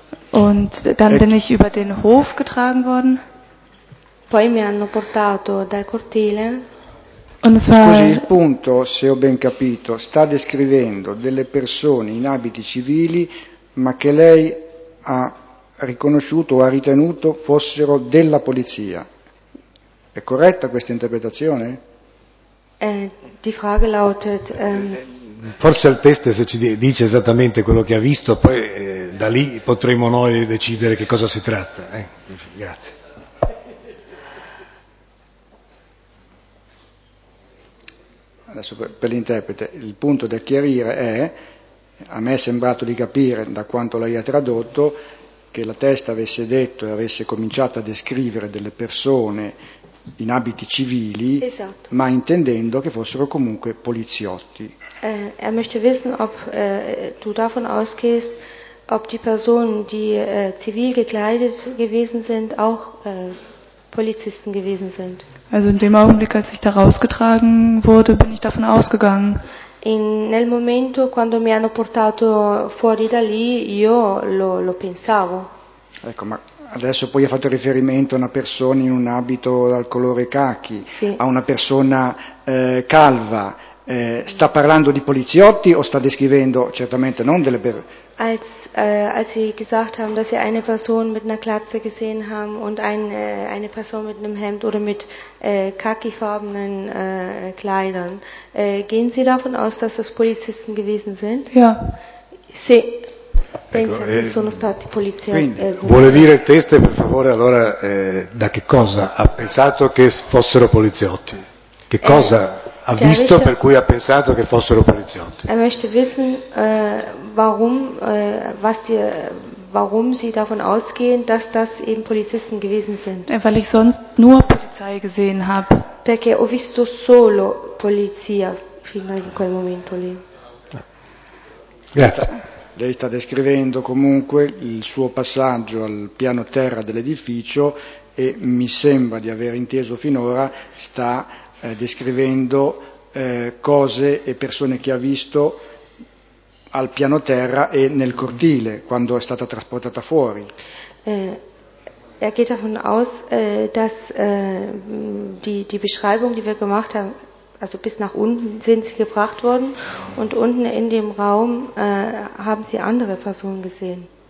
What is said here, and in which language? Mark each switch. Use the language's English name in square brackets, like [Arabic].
[German] Und dann bin ich über den Hof getragen worden. [Italian] Poi mi hanno portato dal cortile. [German] Und es war [Italian] così il punto, se ho ben capito, sta descrivendo delle persone in abiti civili, ma che lei ha riconosciuto o ha ritenuto fossero della polizia. È corretta questa interpretazione? [German] Die Frage lautet, [Italian] forse al test se ci dice esattamente quello che ha visto, poi da lì potremo noi decidere che cosa si tratta. Grazie. Adesso per l'interprete, il punto da chiarire è, a me è sembrato di capire da quanto lei ha tradotto, che la testa avesse detto e avesse cominciato a descrivere delle persone in abiti civili, esatto, ma intendendo che fossero comunque poliziotti. [German] Er möchte wissen, ob du davon ausgehst, ob die Personen, die zivil gekleidet gewesen sind, auch Polizisten gewesen sind. Also in dem Augenblick, als ich da rausgetragen wurde, bin ich davon ausgegangen. [Italian] Nel momento quando mi hanno portato fuori da lì, io lo pensavo. Ecco, ma adesso poi ha fatto riferimento a una persona in un abito dal colore khaki, sì, a una persona calva. Sta parlando di poliziotti o sta descrivendo certamente non delle [German] als sie gesagt haben, dass sie eine Person mit einer Glatze gesehen haben und eine Person mit einem Hemd oder mit khakifarbenen Kleidern, gehen Sie davon aus, dass das Polizisten gewesen sind? Ja. [Italian] Sì. Ecco, sono stati poliziotti. Vuole dire il test, per favore, allora da che cosa ha pensato che fossero poliziotti? Che cosa ha visto, [German] möchte, [Italian] per cui ha pensato che fossero poliziotti. [German] Er möchte wissen, warum, was die, warum sie davon ausgehen, dass das eben Polizisten gewesen sind. Weil ich sonst nur Polizei gesehen habe. [Italian] Perché ho visto solo polizia fino in quel momento lì. Grazie. Lei sta descrivendo comunque il suo passaggio al piano terra dell'edificio e mi sembra di aver inteso finora sta descrivendo cose e persone che ha visto al piano terra e nel cortile quando è stata trasportata fuori. [German] Er geht davon aus, dass die Beschreibung, die wir gemacht haben, also bis nach unten sind sie gebracht worden und unten in dem Raum haben sie andere Personen gesehen.